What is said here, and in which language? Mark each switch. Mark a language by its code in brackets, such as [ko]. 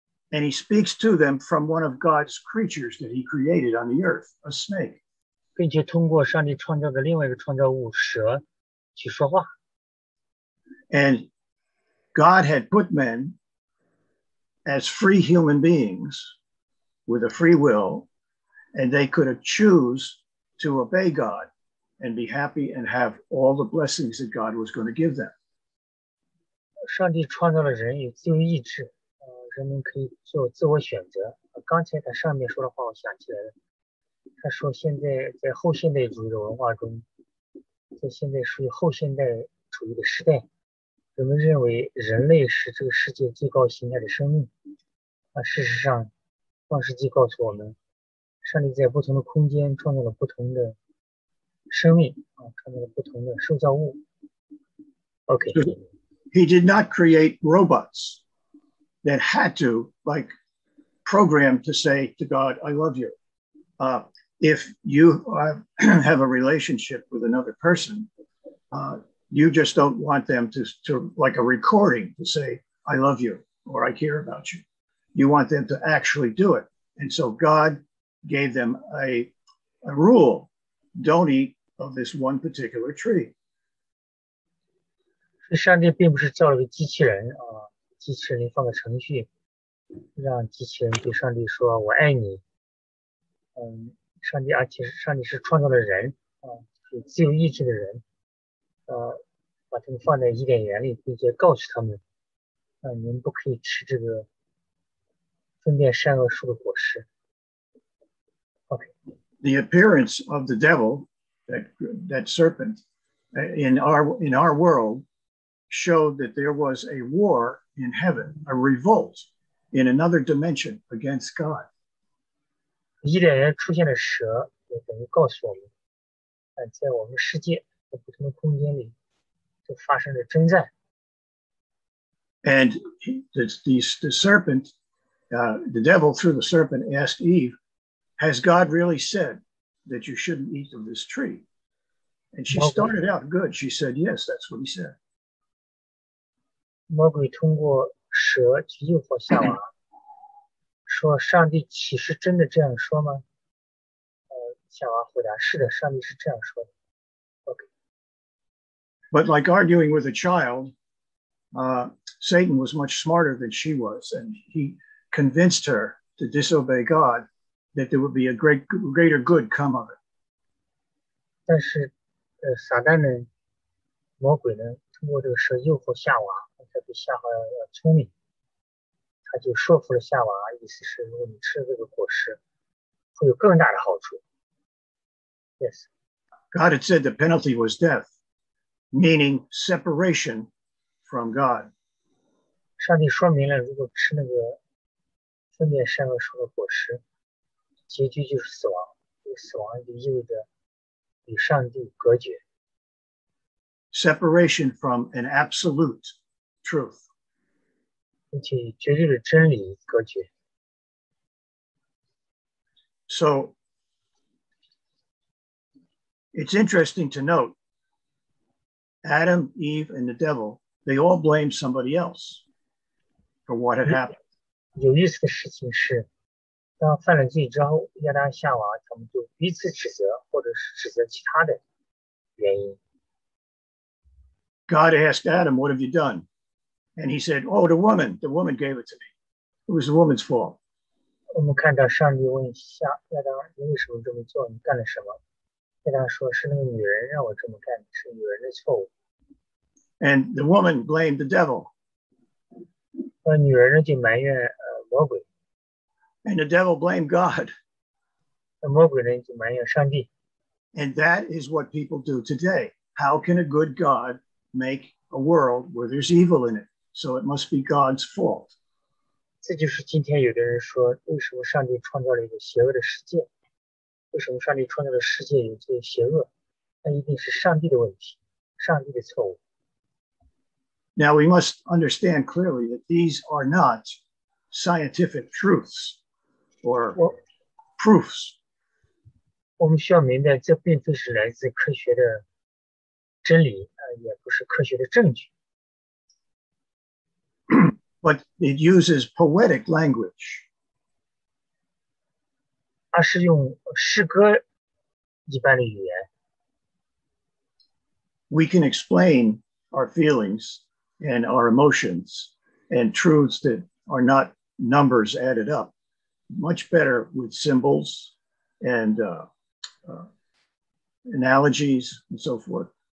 [en] And he speaks to them from one of God's creatures that he created on the earth, a snake. [zh] 并且通过上帝创造的另外一个创造物蛇。去说话。 [en] And God had put men as free human beings with a free will, and they could choose to obey God and be happy and have all the blessings that God was going to give them. [zh] 上帝创造了人有自由意志，人们可以做自我选择。刚才他上面说的话我想起来了，他说现在在后现代主义的文化中，在现在属于后现代主义的时代，人们认为人类是这个世界最高形态的生命。事实上，创世纪告诉我们，上帝在不同的空间创造了不同的生命，创造了不同的受造物。 [en] OK. He did not create robots that had to, like, program to say to God, I love you. If you have a relationship with another person, you just don't want them to like a recording to say, I love you, or I care about you. You want them to actually do it. And so God gave them a rule, don't eat of this one particular tree. [zh] 上帝并不是造了个机器人，机器人里放个程序，让机器人对上帝说，我爱你。上帝，而且上帝是创造的人，有自由意志的人，把他们放在伊甸园里，并且告诉他们，你们不可以吃这个分辨善恶树的果实。 [en] OK. The appearance of the devil, that serpent, in our world, showed that there was a war in heaven, a revolt in another dimension against God. [zh] 伊甸园出现的蛇也等于告诉我们，在我们世界的不同的空间里就发生了征战。 [en] And the serpent, the devil through the serpent asked Eve, has God really said that you shouldn't eat of this tree? And she started out good. She said, yes, that's what he said. [zh] 魔鬼通过蛇去诱惑夏娃。说上帝岂是真的这样说吗？夏娃回答：“是的，上帝是这样说的。” [en] OK. But like arguing with a child, Satan was much smarter than she was, and he convinced her to disobey God, that there would be a greater good come of it. [zh] 但是，撒旦呢，魔鬼呢，通过这个蛇诱惑夏娃，他比夏娃要聪明。他就说服了夏娃，意思是如果你吃这个果实，会有更大的好处。 [en] Yes. God had said the penalty was death, meaning separation from God. [zh] 上帝说明了，如果吃那个分辨善恶树的果实，结局就是死亡。死亡就意味着与上帝隔绝。 [en] Separation from an absolute truth. [zh] 并且绝对的真理隔绝。 [en] So, it's interesting to note Adam, Eve, and the devil, they all blame somebody else for what had happened. [zh] 有意思的事情是，当犯了罪之后，亚当夏娃他们就彼此指责，或者是指责其他的原因。 [en] God asked Adam, what have you done? And he said, oh, the woman gave it to me. It was the woman's fault. [zh] 我们看到上帝问下亚当，你为什么这么做？你干了什么？亚当说，是那个女人让我这么干，是女人的错误。 [en] And the woman blamed the devil. [zh] 女人就埋怨魔鬼。 [en] And the devil blamed God. [zh] 魔鬼呢就埋怨上帝。 [en] And that is what people do today. How can a good God make a world where there's evil in it? So it must be God's fault. [zh] 这就是今天有的人说，为什么上帝创造了一个邪恶的世界？为什么上帝创造的世界有这些邪恶？那一定是上帝的问题，上帝的错误。 [en] Now we must understand clearly that these are not scientific truths or proofs. [zh] 我们需要明白，这并非是来自科学的真理，也不是科学的证据。 [en] But it uses poetic language. [zh] 它是用诗歌一般的语言。 [en] We can explain our feelings and our emotions and truths that are not numbers added up much better with symbols and analogies and so forth.